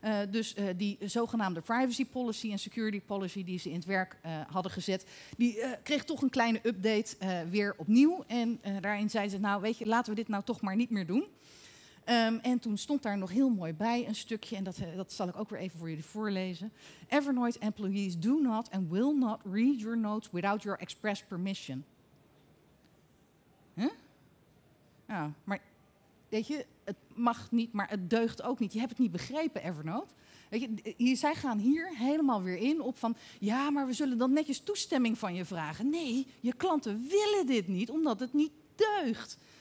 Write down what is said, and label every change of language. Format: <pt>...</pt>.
<nl>Dus die zogenaamde privacy policy en security policy die ze in het werk hadden gezet, die kreeg toch een kleine update weer opnieuw. En daarin zeiden ze, nou weet je, laten we dit nou toch maar niet meer doen. En toen stond daar nog heel mooi bij een stukje, en dat zal ik ook weer even voor jullie voorlezen.</nl> <en>Evernote employees do not and will not read your notes without your express permission. Huh?</en> <nl>Ja, maar weet je, het mag niet, maar het deugt ook niet. Je hebt het niet begrepen, Evernote. Weet je, zij gaan hier helemaal weer in op van, ja, maar we zullen dan netjes toestemming van je vragen. Nee, je klanten willen dit niet, omdat het niet deugt.</nl>